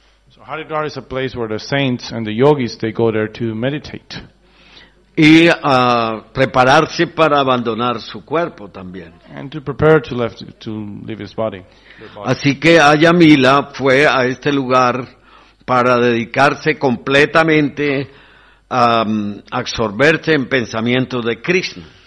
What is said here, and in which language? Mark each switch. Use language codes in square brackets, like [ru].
[en] So Haridwar is a place where the saints and the yogis they go there to meditate. [es] Y a prepararse para abandonar su cuerpo también. [en] And to prepare to leave his body. [es] Así que Ajamila fue a este lugar para dedicarse completamente a absorberse en pensamientos de Krishna.